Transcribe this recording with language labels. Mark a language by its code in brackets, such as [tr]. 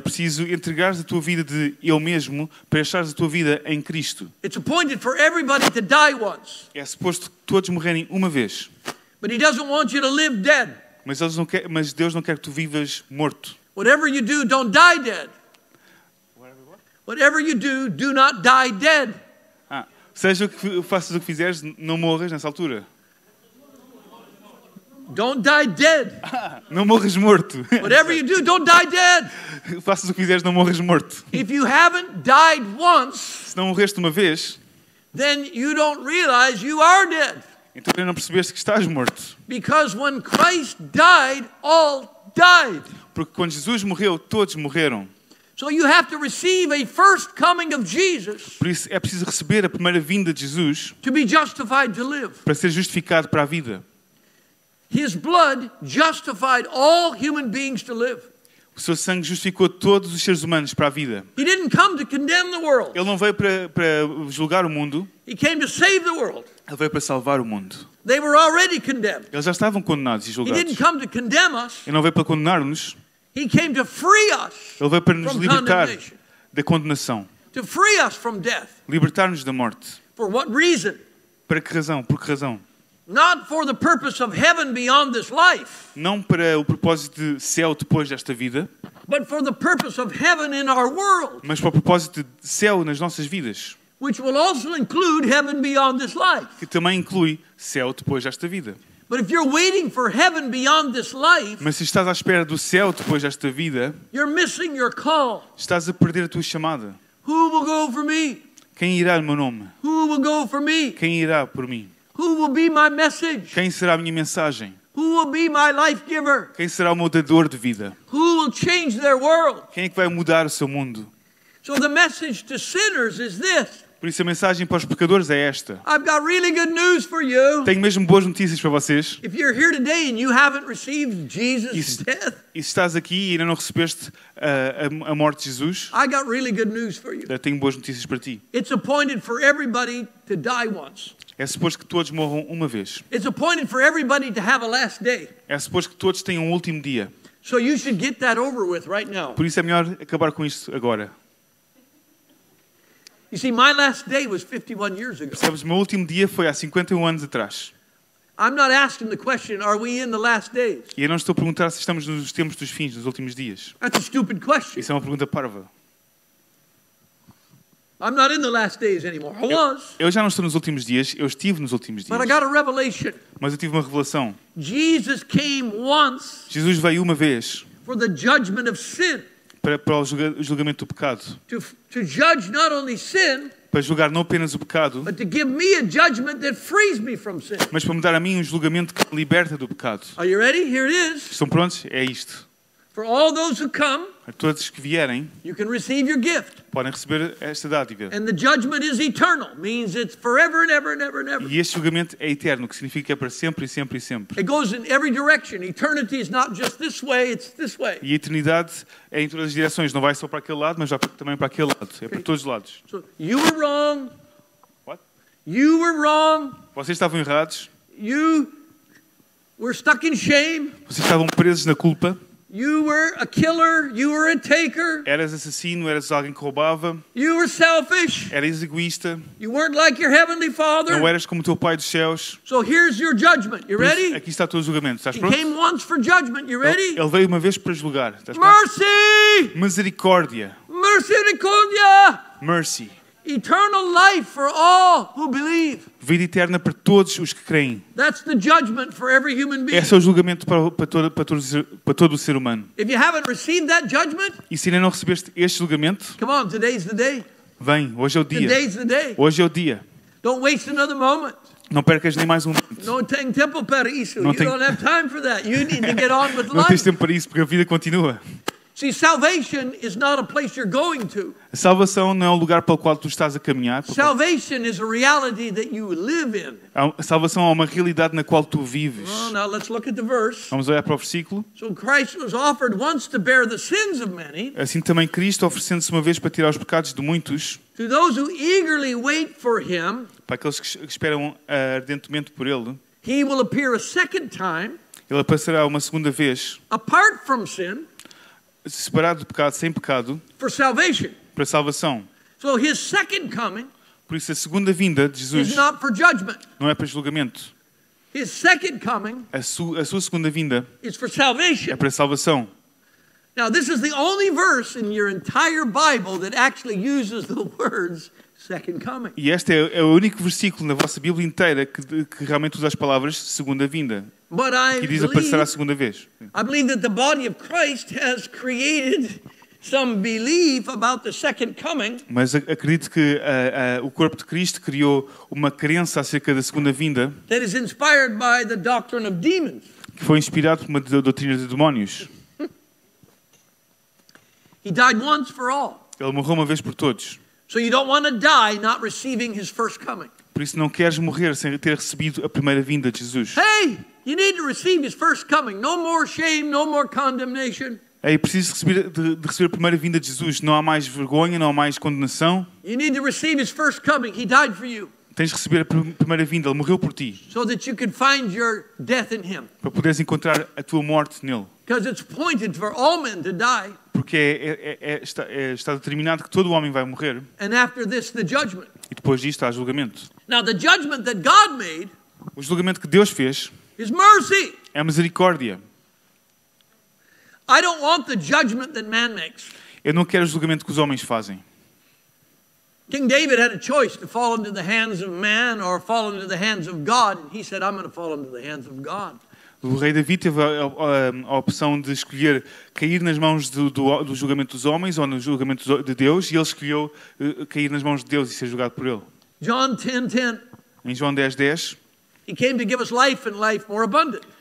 [pt] preciso entregares a tua vida de eu mesmo para achares a tua vida em Cristo. [en] It's appointed for everybody to die once. [pt] É suposto que todos morrerem uma vez. [en] But he doesn't want you to live dead. [pt] Mas Deus não quer que tu vivas morto. [en] Whatever you do, don't die dead. Whatever you do, do not die dead. [pt] Seja o que faças, o que fizeres, não morras nessa altura. [en] Don't die dead. [pt] Não morres morto. [en] Whatever you do, don't die dead. [pt] Faças o que fizeres, não morres morto. [en] If you haven't died once, [pt] se não morreste uma vez, [en] then you don't realize you are dead. [pt] Então tu não percebeste que estás morto. [en] Because when Christ died, all died. [pt] Porque quando Jesus morreu, todos morreram. [en] So you have to receive a first coming of Jesus. [pt] Por isso é preciso receber a primeira vinda de Jesus. [en] To be justified to live. [pt] Para ser justificado para a vida. [en] His blood justified all human beings to live. [pt] O seu sangue justificou todos os seres humanos para a vida. [en] He didn't come to condemn the world. [pt] Ele não veio para julgar o mundo. [en] He came to save the world. [pt] Ele veio para salvar o mundo. [en] They were already condemned. [pt] Eles já estavam condenados e julgados. [en] He didn't come to condemn us. [pt] Ele não veio para condenar-nos. [en] He came to free us. [pt] Ele veio para nos libertar da condenação. [en] To free us from death. [pt] Libertar-nos da morte. [en] For what reason? [pt] Para que razão? Por que razão? [en] Not for the purpose of heaven beyond this life. [pt] Não para o propósito de céu depois desta vida. [en] But for the purpose of heaven in our world. [pt] Mas para o propósito de céu nas nossas vidas. [en] Which will also include heaven beyond this life. [pt] Que também inclui céu depois desta vida. [en] But if you're waiting for heaven beyond this life, [pt] mas se estás à espera do céu depois desta vida, [en] you're missing your call. [pt] Estás a perder a tua chamada. [en] Who will go for me? [pt] Quem irá no meu nome? [en] Who will go for me? [pt] Quem irá por mim? [en] Who will be my message? [pt] Quem será a minha mensagem? [en] Who will be my life giver? [pt] Quem será o meu dador de vida? [en] Who will change their world? [pt] Quem é que vai mudar o seu mundo? [en] So the message to sinners is this. [pt] Por isso a mensagem para os pecadores é esta. [en] I've got really good news for you. [pt] Tenho mesmo boas notícias para vocês. [en] If you're here today and you haven't received Jesus' death, [pt] e se estás aqui e ainda não recebeste a morte de Jesus, [en] I got really good news for you. [pt] Tenho boas notícias para ti. [en] It's appointed for everybody to die once. [pt] É suposto que todos morram uma vez. [en] It's appointed for everybody to have a last day. [pt] É suposto que todos tenham um último dia. [en] So you should get that over with right now. [pt] Por isso é melhor acabar com isto agora. [en] You see, my last day was 51 years ago. [pt] Percebes, meu último dia foi há 51 anos atrás. [en] I'm not asking the question, are we in the last days? [pt] E eu não estou a perguntar se estamos nos tempos dos fins, nos últimos dias. [en] That's a stupid question. [pt] Isso é uma pergunta parva. [en] I'm not in the last days anymore. I was. [pt] Eu já não estou nos últimos dias, eu estive nos últimos dias. [en] But I got a revelation. [pt] Mas eu tive uma revelação. [en] Jesus came once. [pt] Jesus veio uma vez. [en] For the judgment of sin. [pt] Para o julgamento do pecado. [en] To judge not only sin, [pt] para julgar não apenas o pecado, [en] but to give me a judgment that frees me from sin. [pt] Mas para me dar a mim um julgamento que me liberta do pecado. [en] Are you ready? Here it is. [pt] Estão prontos? É isto. [en] For all those who come, [pt] a todos que vierem, [en] you can receive your gift. [pt] Podem receber esta dádiva. [en] And the judgment is eternal, means it's forever and ever and ever and ever. [pt] E este julgamento é eterno, que significa que é para sempre e sempre e sempre. [en] It goes in every direction. Eternity is not just this way, it's this way. [pt] E a eternidade é em todas as direções, não vai só para aquele lado, mas vai também para aquele lado, é para todos os lados. [en] So, you were wrong. What? You were wrong. [pt] Vocês estavam errados. [en] You were stuck in shame. [pt] Vocês estavam presos na culpa. [en] You were a killer, you were a taker. [pt] Eras assassino, eras alguém que roubava. [en] You were selfish. [pt] Eras egoísta. [en] You weren't like your heavenly father. [pt] Não eras como o teu pai dos céus. [en] So here's your judgment. You ready? [pt] Aqui está o teu julgamento. Estás pronto? [en] He came once for judgment. You ready? [pt] Ele veio uma vez para julgar. Estás [en] mercy! [pt] Pronto? Misericórdia. Misericórdia! [en] Mercy. Eternal life for all who believe. [pt] Vida eterna para todos os que creem. [en] That's the judgment for every human being. [pt] Esse é o julgamento para todo o ser humano. [en] If you haven't received that judgment, [pt] e se ainda não recebeste este julgamento, [en] come on, today's the day. [pt] Vem, hoje é o dia. [en] Today's the day. [pt] Hoje é o dia. [en] Don't waste another moment. [pt] Não percas nem mais um momento. Não tem tempo para isso. Não tem... [en] You don't have time for that. You need to get on with [pt] não [en] life. [pt] Tens tempo para isso porque a vida continua. [en] See, salvation is not a place you're going to. [pt] A salvação não é um lugar para o qual tu estás a caminhar. [en] Salvation is a reality that you live in. [pt] A salvação é uma realidade na qual tu vives. [en] Well, now let's look at the verse. [pt] Vamos olhar para o versículo. [en] So Christ was offered once to bear the sins of many. [pt] Assim também Cristo oferecendo-se uma vez para tirar os pecados de muitos. [en] To those who eagerly wait for him. [pt] Para aqueles que esperam ardentemente por ele. [en] He will appear a second time. [pt] Ele aparecerá uma segunda vez. [en] Apart from sin. [pt] Separado do pecado, sem pecado. [en] For salvation. [pt] Para a salvação. [en] So his second coming, [pt] por isso a segunda vinda de Jesus [en] is not for judgment. [pt] Não é para julgamento. [en] His second coming, [pt] a sua segunda vinda [en] is for salvation. [pt] É para a salvação. [en] Now this is the only verse in your entire Bible that actually uses the words second coming. [pt] E este é o único versículo na vossa Bíblia inteira que realmente usa as palavras segunda vinda. [en] But I [pt] que diz aparecerá a segunda vez. [en] I believe that the body of Christ has created some belief about the second coming. [pt] Mas acredito que o corpo de Cristo criou uma crença acerca da segunda vinda. [en] That is inspired by the doctrine of demons. [pt] Que foi inspirado por uma doutrina de demónios. [en] He died once for all. [pt] Ele morreu uma vez por todos. [en] So you don't want to die not receiving his first coming. [pt] Por isso não queres morrer sem ter recebido a primeira vinda de Jesus. [en] Hey, you need to receive his first coming. No more shame, no more condemnation. [pt] Ei, preciso de receber a primeira vinda de Jesus. Não há mais vergonha, não há mais condenação. [en] You need to receive his first coming. He died for you. [pt] Tens de receber a primeira vinda. Ele morreu por ti. [en] So that you can find your death in him. [pt] Para poderes encontrar a tua morte nele. [en] Because it's appointed for all men to die. [pt] Porque está determinado que todo homem vai morrer. [en] And after this, the judgment. [pt] E depois disto há julgamento. [en] Now the judgment that God made. [pt] O julgamento que Deus fez. [en] Is mercy. [pt] É misericórdia. [en] I don't want the judgment that man makes. [pt] Eu não quero o julgamento que os homens fazem. [en] King David had a choice to fall into the hands of man or fall into the hands of God. He said, I'm going to fall into the hands of God. [pt] O rei David teve a opção de escolher cair nas mãos do julgamento dos homens ou no julgamento de Deus, e ele escolheu cair nas mãos de Deus e ser julgado por ele. [en] John 10:10. [pt] Em João 10:10. [en] He came to give us life and life more abundant.